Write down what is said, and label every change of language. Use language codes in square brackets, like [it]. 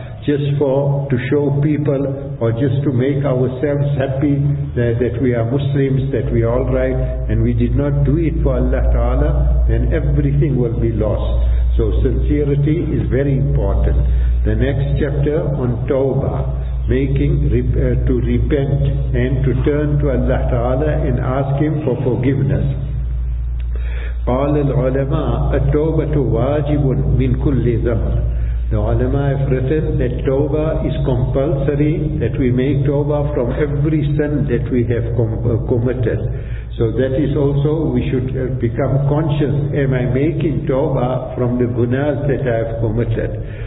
[en] just for to show people or just to make ourselves happy that we are Muslims, that we are all right, and we did not do it for Allah Ta'ala, then everything will be lost. So sincerity is very important. The next chapter on Tawbah, to repent and to turn to Allah Ta'ala and ask Him for forgiveness. [ar] قال العلماء التوبة واجب من كل ذنب. [en] The ulama have written that tawbah is compulsory, that we make tawbah from every sin that we have committed. So that is also, we should become conscious, am I making tawbah from the gunas that I have committed?